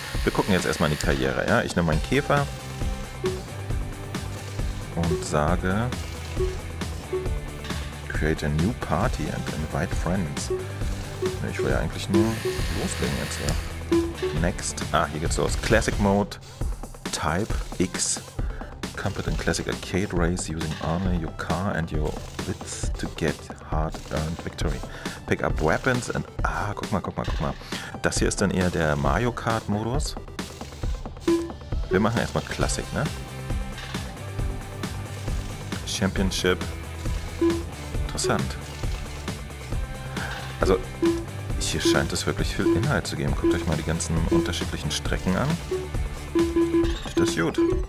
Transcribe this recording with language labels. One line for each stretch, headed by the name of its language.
German: Wir gucken jetzt erstmal in die Karriere, ja? Ich nehme meinen Käfer und sage
English: Create a new party and invite friends.
German: Ich will ja eigentlich nur loslegen jetzt, ja. Next. Ah, hier geht's los. Classic Mode. Type X.
English: Competent Classic Arcade Race using only your car and your wits to get hard-earned victory. Pick up weapons and...
German: Ah, guck mal. Das hier ist dann eher der Mario Kart Modus. Wir machen erstmal Classic, ne? Championship. Interessant. Also, hier scheint es wirklich viel Inhalt zu geben. Guckt euch mal die ganzen unterschiedlichen Strecken an. Das ist gut.